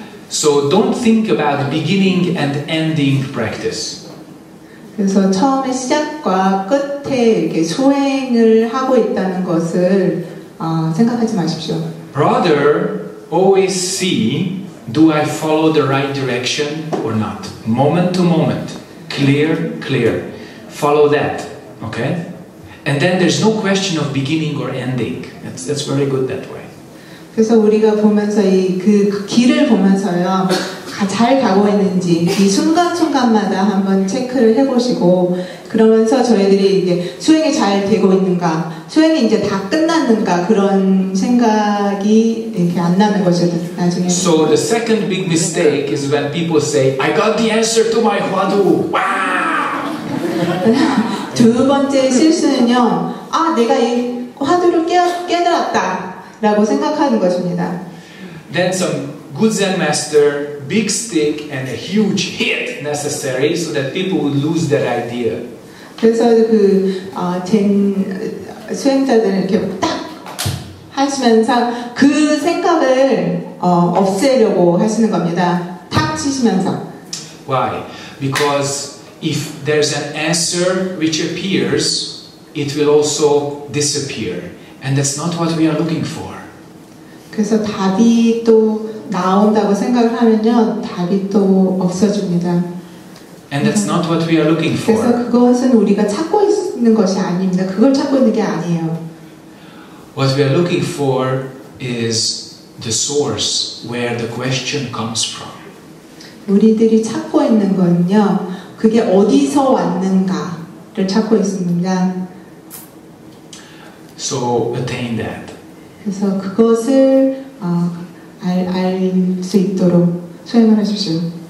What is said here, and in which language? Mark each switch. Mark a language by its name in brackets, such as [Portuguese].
[English] So don't think about beginning and ending practice. [Korean] 그래서 처음에 시작과 끝에 이렇게 수행을 하고 있다는 것을 생각하지 마십시오. [English] Rather, always see, do I follow the right direction or not? Moment to moment, clear. Follow that, okay? And then there's no question of beginning or ending. That's very good that way. [Korean] 그래서 우리가 보면서 이 그 길을 보면서요 잘 가고 있는지 이 순간순간마다 한번 체크를 해보시고 그러면서 저희들이 이제 수행이 잘 되고 있는가 수행이 이제 다 끝났는가 그런 생각이 이렇게 안 나는 거죠 나중에. [English] So the second big mistake is when people say, I got the answer to my 화두. Wow. [Korean] 두 번째 실수는요. 아 내가 이 화두를 깨달았다. 라고 생각하는 것입니다. [English] Then some good Zen master, big stick and a huge hit necessary so that people would lose that idea. [Korean] 그래서 그 젠 수행자들은 이렇게 딱 하시면서 그 생각을 없애려고 하시는 겁니다. 탁 치시면서. [English] Why? Because if there's an answer which appears, it will also disappear. And that's not what we are looking for. [Korean] 그래서 답이 또 나온다고 생각을 하면요, 답이 또 없어집니다. [English] And that's not what we are looking for. [Korean] 그래서 그것은 우리가 찾고 있는 것이 아닙니다. 그걸 찾고 있는 게 아니에요. [English] What we are looking for is the source where the question comes from. [Korean] 우리들이 찾고 있는 건요, 그게 어디서 왔는가를 찾고 있습니다. [English] So attain that. [Korean] 그래서 그것을 알 수 있도록 소행을 하십시오.